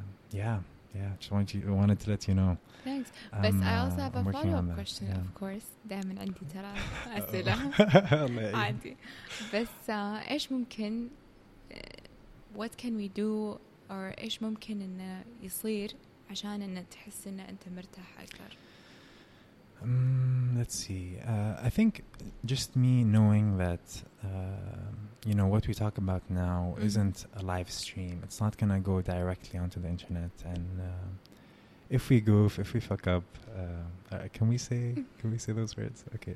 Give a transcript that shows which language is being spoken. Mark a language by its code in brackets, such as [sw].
[en] Yeah, I wanted to let you know. Thanks. But I also have a follow-up question, of course. [ar] دائما عندي ترى أسئلة. عندي. بس إيش ممكن [en] what can we do or [ar] إيش ممكن إنه يصير عشان إنه تحس إنه أنت مرتاح أكثر؟ [en] Let's see. I think just me knowing that you know what we talk about now isn't a live stream. It's not gonna go directly onto the internet. And if we goof, if we fuck up, can we say those words? Okay.